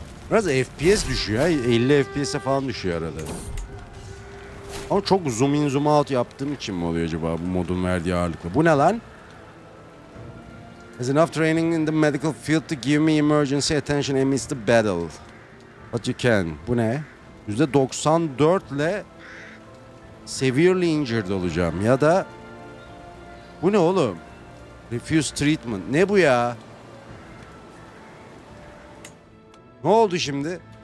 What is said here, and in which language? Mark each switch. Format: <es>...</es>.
<tr>Biraz FPS düşüyor. 50 FPS'e falan düşüyor arada. Ama çok zoom in zoom out yaptığım için mi oluyor acaba bu modun verdiği ağırlıkla? Bu ne lan?</tr> <en>Has enough training in the medical field to give me emergency attention amidst the battle. But you can.</en> <tr>Bu ne? %94 ile</tr> <en>severely injured</en> <tr>olacağım. Ya da bu ne oğlum?</tr> <en>Refuse treatment.</en> <tr>Ne bu ya? Ne oldu şimdi?</tr>